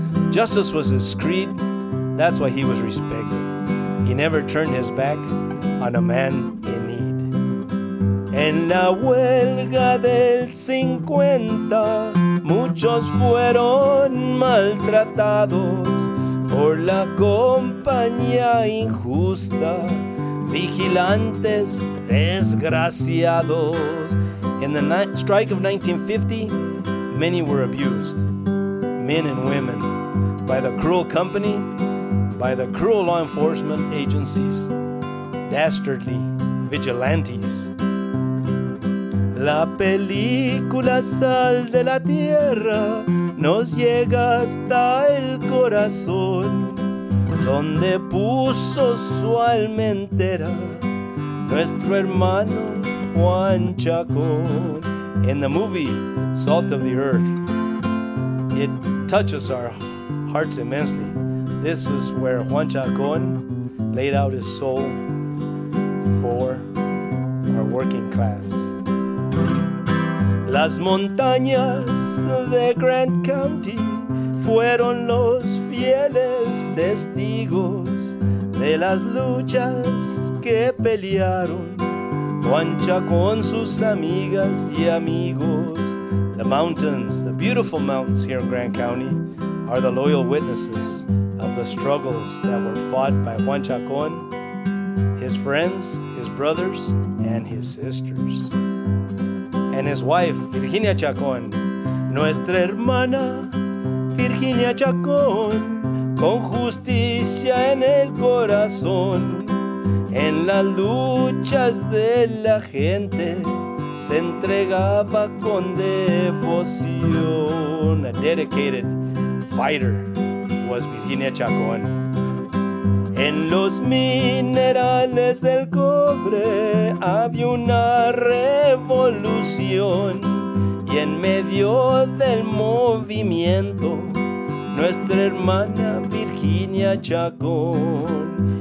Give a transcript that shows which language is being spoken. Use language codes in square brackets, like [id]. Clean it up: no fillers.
[en] Justice was his creed, that's why he was respected. He never turned his back on a man in need. [es] En la huelga del 50, muchos fueron maltratados por la compañía injusta, vigilantes desgraciados. [en] In the strike of 1950, many were abused, men and women, by the cruel company, by the cruel law enforcement agencies, dastardly vigilantes. [es] La película Sal de la Tierra nos llega hasta el corazón, donde puso su alma entera nuestro hermano Juan Chacón. [en] In the movie Salt of the Earth, it touches our hearts immensely. This is where Juan Chacón laid out his soul for our working class. [es] Las montañas de Grant County fueron los fieles testigos de las luchas que pelearon Juan Chacón, sus amigas y amigos. [en] The mountains, the beautiful mountains here in Grant County, are the loyal witnesses of the struggles that were fought by Juan Chacón, his friends, his brothers, and his sisters. And his wife, Virginia Chacón. [es] Nuestra hermana, Virginia Chacón, con justicia en el corazón, En las luchas de la gente se entregaba con devoción. [en] A dedicated fighter was Virginia Chacón. [es] En los minerales del cobre había una revolución. Y en medio del movimiento, nuestra hermana Virginia Chacón.